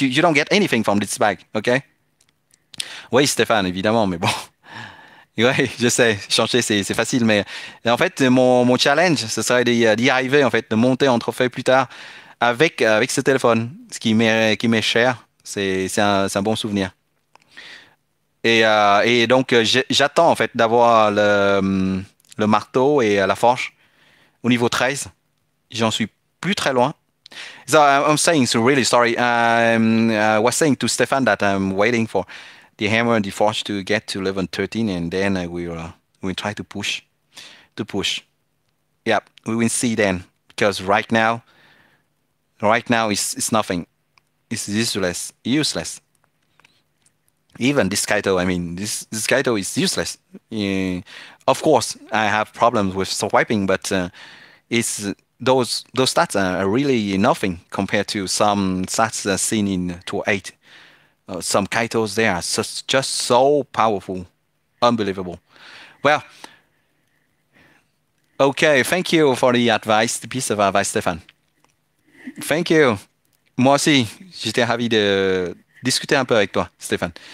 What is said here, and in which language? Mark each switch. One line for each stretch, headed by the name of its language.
English: You don't get anything from this bag, okay?
French: Oui, Stéphane, évidemment, mais bon. Oui, je sais, changer, c'est facile, mais en fait, mon challenge, ce serait d'y arriver, en fait, de monter en trophée plus tard avec ce téléphone, ce qui m'est cher. C'est un bon souvenir. Et donc, j'attends, en fait, d'avoir le marteau et la forge au niveau 13. J'en suis plus très loin.
English: So, I'm saying, so really, sorry, I was saying to Stéphane that I'm waiting for the hammer and the forge to get to level 13, and then we'll try to push. To push. Yeah, we will see then. Because right now, it's nothing. It's useless. Useless. Even this Kaito, I mean, this Kaito is useless. Of course, I have problems with swiping, but those stats are really nothing compared to some stats seen in Tour 8. Some Kaitos there are just so powerful. Unbelievable. Well, okay, thank you for the advice, the piece of advice, Stefan. Thank you.
French: Moi aussi, j'étais ravi de discuter un peu avec toi, Stefan.